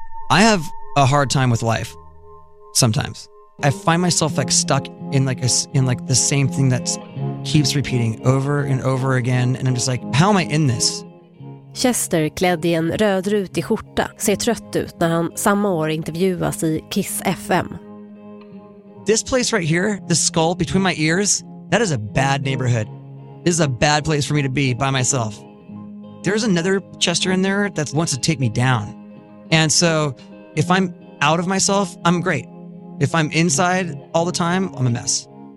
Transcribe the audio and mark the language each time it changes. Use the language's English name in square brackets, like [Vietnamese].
[English] I have a hard time with life sometimes. I find myself like stuck in like the same thing that keeps repeating over and over again, and I'm just like, how am I in this? [Swedish] Chester, klädd i en rödrutig skjorta, ser trött ut när han samma år intervjuas i Kiss FM. [English] This place right here, the skull between my ears, that is a bad neighborhood. This is a bad place for me to be by myself. There's another Chester in there that wants to take me down. And so if I'm out of myself, I'm great. If I'm inside all the time, I'm a mess.